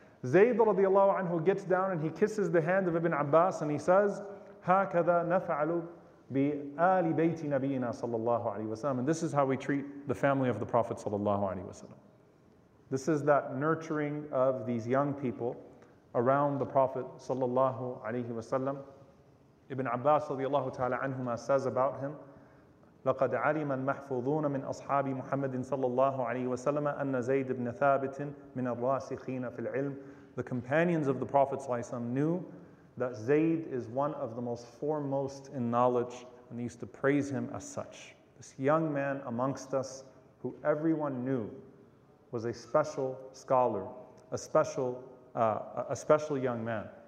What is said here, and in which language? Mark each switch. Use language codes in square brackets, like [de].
[en] Zayd radiallahu anhu gets down and he kisses the hand of Ibn Abbas and he says, [ar] Hakada naf'alu bi ali bayti nabiyyina sallallahu alayhi wa [en] sallam. And this is how we treat the family of the Prophet sallallahu alayhi wa sallam. This is that nurturing of these young people around the Prophet sallallahu alayhi wa sallam. [ar] Ibn Abbas radiallahu ta'ala anhuma says about him, لقد علم المحفوظون من أصحاب محمد صلى الله عليه وسلم أن زيد بن ثابت من الراسخين في العلم. [en] The companions of the Prophet ﷺ knew that Zayd is one of the most foremost in knowledge, and they used to praise him as such. This young man amongst us, who everyone knew, was a special scholar, a special young man.